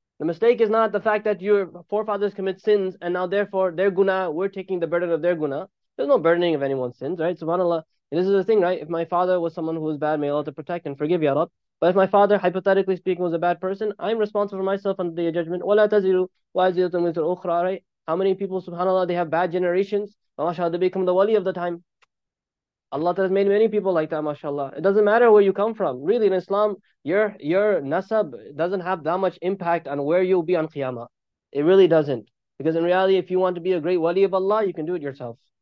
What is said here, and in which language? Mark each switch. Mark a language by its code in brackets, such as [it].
[en] The mistake is not the fact that your forefathers commit sins and now therefore their guna, we're taking the burden of their guna. There's no burdening of anyone's sins, right? SubhanAllah, this is the thing, right? If my father was someone who was bad, may Allah to protect and forgive, Ya Rab. But if my father, hypothetically speaking, was a bad person, I'm responsible for myself on the day of judgment. [ar] وَلَا تَزِرُ وَازِرَةٌ وِزْرَ أُخْرَىٰ, right? [en] How many people, subhanAllah, they have bad generations? MashaAllah, they become the wali of the time. Allah has made many people like that, mashaAllah. It doesn't matter where you come from. Really, in Islam, your nasab doesn't have that much impact on where you'll be on Qiyamah. It really doesn't. Because in reality, if you want to be a great wali of Allah, you can do it yourself.